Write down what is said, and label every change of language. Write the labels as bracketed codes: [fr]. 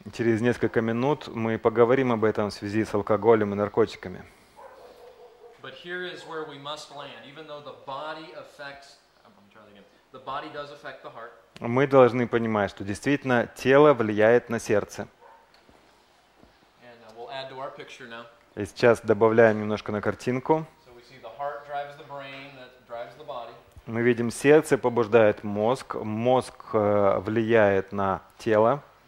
[ru] Через несколько минут мы поговорим об этом в связи с алкоголем и наркотиками. [en] But here is where we must land. Even though the body affects, I'm trying again. The body does affect the heart. [ru] Мы должны понимать, что действительно тело влияет на сердце. [en] And we'll add to our picture now. [ru] И сейчас добавляем немножко на картинку. [en] So we see the heart drives the brain that drives the body. [ru] Мы видим, сердце побуждает мозг, мозг влияет на тело.